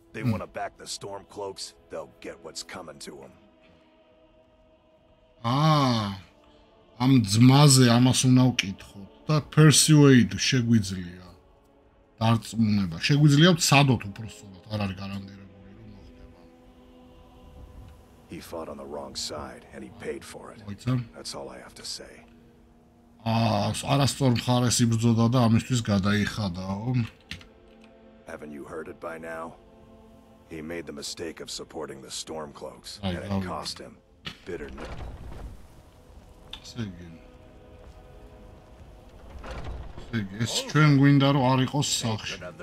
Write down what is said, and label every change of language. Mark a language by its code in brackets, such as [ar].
[en] They want to back the storm cloaks, they'll get what's coming to them. [ka] Ам ძმაზე ამას უნდა ვკითხოთ და persuade შეგვიძლია. Არწმუნება. შეგვიძლია ვცადოთ უფრო სწორად, არ არის გარანტირებული რომ მოხდება. [en] He fought on the wrong side and he paid for it. That's all I have to say. [ka] Არასწორ მხარეს იბრძოდა და ამისთვის გადაიხადაო. [en] Haven't you heard it by now? He made the mistake of supporting the storm cloaks and it cost him bitterness. Segin. [ka] ეს ჩვენ გვინდა რომ არ იყოს სახში.